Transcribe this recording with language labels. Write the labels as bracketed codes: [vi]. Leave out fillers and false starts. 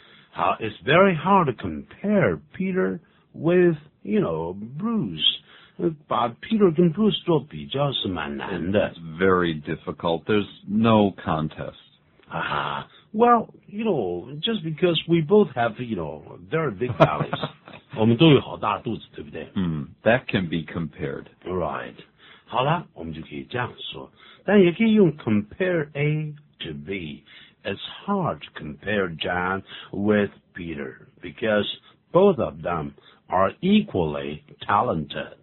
[en] 好, it's very hard to compare Peter with, you know, Bruce. [zh] 把 Peter 跟 Bruce 做比较是蛮难的。 [en] It's very difficult. There's no contest. Uh-huh. Well, you know, just because we both have, you know, very big bellies. [zh] 我们都有好大肚子,对不对? [en] That can be compared. Right. [zh] 好了,我们就可以这样说。但也可以用 compare A to B。 [en] It's hard to compare John with Peter because both of them are equally talented.